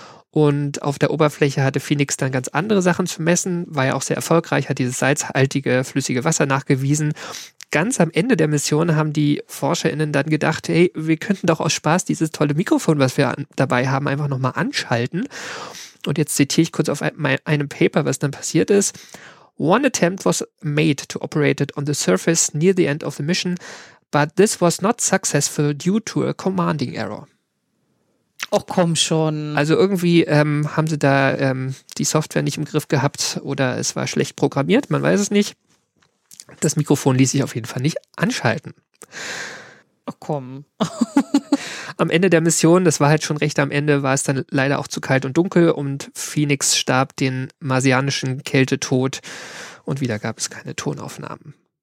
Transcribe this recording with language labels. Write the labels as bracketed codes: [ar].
[de] Und auf der Oberfläche hatte Phoenix dann ganz andere Sachen zu messen, war ja auch sehr erfolgreich, hat dieses salzhaltige, flüssige Wasser nachgewiesen. Ganz am Ende der Mission haben die ForscherInnen dann gedacht, hey, wir könnten doch aus Spaß dieses tolle Mikrofon, was wir dabei haben, einfach nochmal anschalten. Und jetzt zitiere ich kurz auf einem Paper, was dann passiert ist. [en] One attempt was made to operate it on the surface near the end of the mission, but this was not successful due to a commanding error. [de] Och komm schon. Also irgendwie haben sie da die Software nicht im Griff gehabt oder es war schlecht programmiert, man weiß es nicht. Das Mikrofon ließ sich auf jeden Fall nicht anschalten. Ach komm. Am Ende der Mission, das war halt schon recht am Ende, war es dann leider auch zu kalt und dunkel und Phoenix starb den marsianischen Kältetod und wieder gab es keine Tonaufnahmen.